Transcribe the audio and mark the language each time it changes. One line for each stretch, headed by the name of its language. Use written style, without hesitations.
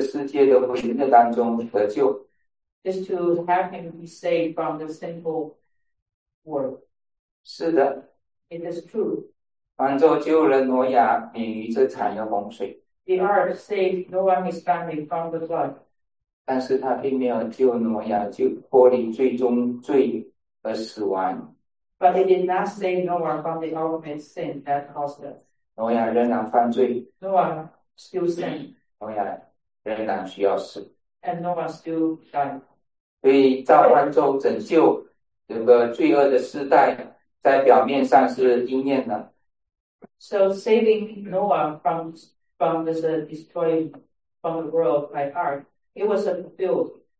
Chinese: 再让他从这个罪恶的世界的毁灭当中得救,
English: is to have him be saved from the sinful world.
Chinese: 是的,
English: it is true.
Chinese: 方舟救了挪亚,
English: the ark saved Noah and his family from the flood.
Chinese: 但是他并没有救挪亚, 就脱离最终罪而死亡,
English: but he did not save Noah from the ultimate sin that caused death.
Chinese: 挪亚仍然犯罪,
English: Noah still sinned.
Chinese: 挪亚仍然需要死,
English: and Noah still died.
Chinese: 所以造方舟拯救, 整个罪恶的时代, 在表面上是应验的,
English: so saving Noah from this destroying from the world by ark, it was fulfilled.